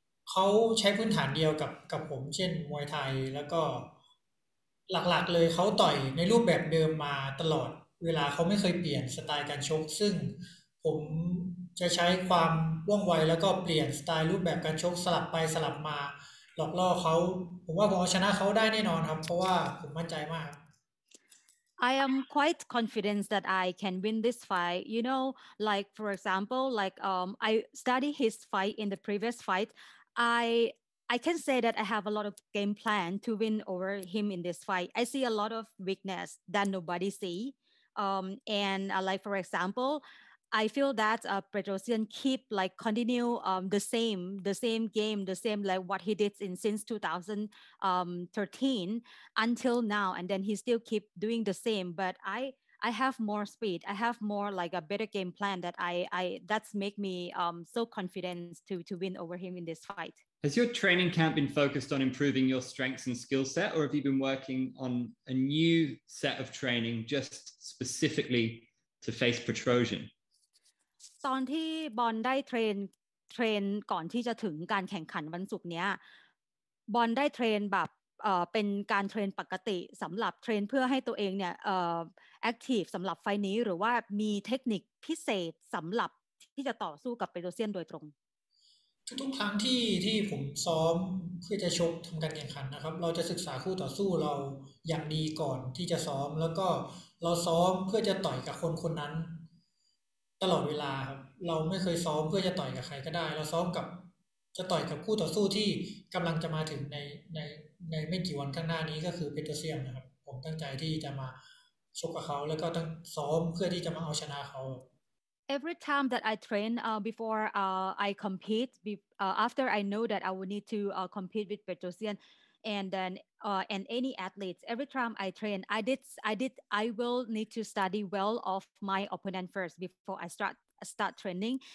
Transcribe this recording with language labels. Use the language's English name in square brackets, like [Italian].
[Thai] เขาใช้พื้นฐานเดียวกับผมเช่นมวยไทยแล้วก็หลักๆเลยเขาต่อยในรูปแบบเดิมมาตลอดเวลาเขาไม่เคยเปลี่ยนสไตล์การชกซึ่งผมจะใช้ความว่องไวแล้วก็เปลี่ยนสไตล์รูปแบบการชกสลับไปสลับมาหลอกล่อเขาผมว่าผมเอาชนะเขาได้แน่นอนครับเพราะว่าผมมั่นใจมาก [English] I am quite confident that I can win this fight you know like for example like I study his fight in the previous fight I can say that I have a lot of game plan to win over him in this fight I see a lot of weakness that nobody seeLike for example, I feel that Petrosian keep like continue the same game, the same like what he did since 2013 until now, and then he still keep doing the same. But I have more speed. I have more like a better game plan that I that's make me so confident to win over him in this fight. Has your training camp been focused on improving your strengths and skill set, or have you been working on a new set of training just specifically to face Petrosian? [Thai] ตอนที่บอลได้เทรนก่อนที่จะถึงการแข่งขันวันศุกร์เนี้ยบอลได้เทรนแบบเป็นการเทรนปกติสำหรับเทรนเพื่อให้ตัวเองเนี่ยแอคทีฟสำหรับไฟนี้หรือว่ามีเทคนิคพิเศษสำหรับที่จะต่อสู้กับเปโตรเซียนโดยตรง ทุกครั้งที่ผมซ้อมเพื่อจะชกทำการแข่งขันนะครับเราจะศึกษาคู่ต่อสู้เราอย่างดีก่อนที่จะซ้อมแล้วก็เราซ้อมเพื่อจะต่อยกับคนคนนั้นตลอดเวลาครับเราไม่เคยซ้อมเพื่อจะต่อยกับใครก็ได้เราซ้อมกับจะต่อยกับคู่ต่อสู้ที่กำลังจะมาถึงในไม่กี่วันข้างหน้านี้ก็คือเปโตรเซียนนะครับผมตั้งใจที่จะมาชกกับเขาแล้วก็ต้องซ้อมเพื่อที่จะมาเอาชนะเขา [English] Every time that I train before I compete, after I know that I will need to compete with Petrosian, and then and any athletes, every time I train, I will need to study well of my opponent first before I start start training.